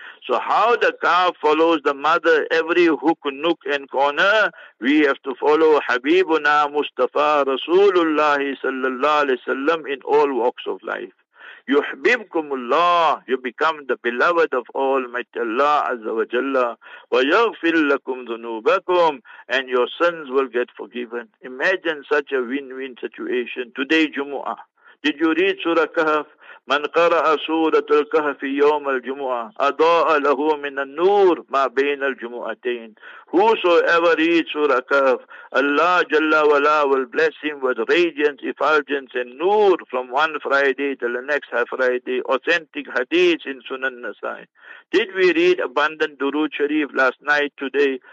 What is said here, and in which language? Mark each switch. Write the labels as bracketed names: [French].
[English] So how the calf follows the mother every hook, nook and corner, we have to follow Habibuna Mustafa Rasulullah sallallahu alaihi wasallam in all walks of life. Yuhbibkumullah, you become the beloved of Almighty Allah Azza wa Jalla. [Arabic] Wa yaghfir lakum dhunubakum, [English] and your sins will get forgiven. Imagine such a win-win situation. Today Jumu'ah. Did you read Surah Kahf? [Arabic] من قرأ سورة الكهف يوم الجمعة أضاء له من النور ما بين الجمعتين. [English] Whosoever reads Surah Kahf, Allah Jalla Wala will bless him with radiance, effulgence and nur from one Friday to the next Friday. Authentic hadith in Sunan Nasai. Did we read abundant Durood Sharif last night, today?